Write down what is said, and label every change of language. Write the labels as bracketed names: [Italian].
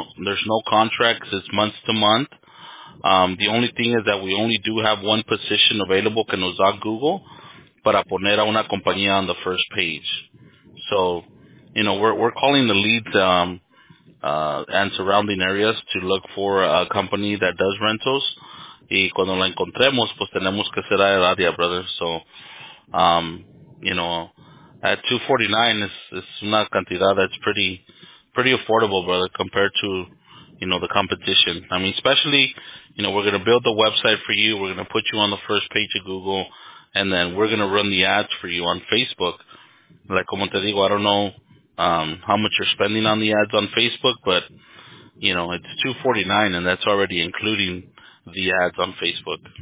[English] There's no contracts. It's month to month. The only thing is that we only do have one position available [Spanish] que nos da Google para poner a una compañía [English] on the first page. So, you know, we're calling the leads and surrounding areas to look for a company that does rentals. [Spanish] Y cuando la encontremos, pues tenemos que ser a el área, brother. [English] So, you know, at $249 is [Spanish] una cantidad [English] that's pretty affordable, brother, compared to, you know, the competition. I mean, especially, you know, we're going to build the website for you. We're going to put you on the first page of Google. And then we're going to run the ads for you on Facebook. Like, [Spanish] como te digo, [English] I don't know how much you're spending on the ads on Facebook, but, you know, it's $249, and that's already including the ads on Facebook.